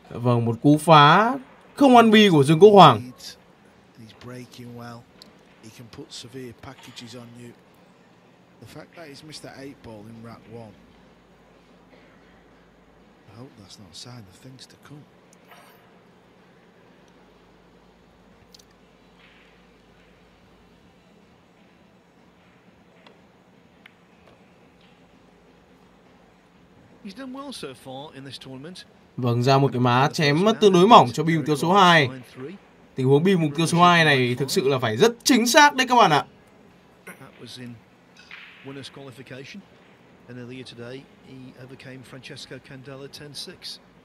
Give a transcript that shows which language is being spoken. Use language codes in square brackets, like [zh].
[vi] Vâng, một cú phá không ăn bi của Dương Quốc Hoàng. [en] He's breaking well. He can put severe packages on you. The fact that he's missed that 8 ball in rack 1. I hope that's not a sign of things to come. He's done well so far in this tournament. [vi] Vâng, ra một cái má chém tương đối mỏng cho bi mục tiêu số 2. Tình huống bi mục tiêu số 2 này thực sự là phải rất chính xác đấy các bạn ạ. [en] That was in winners qualification. And earlier today, he overcame Francesco Candela 10-6.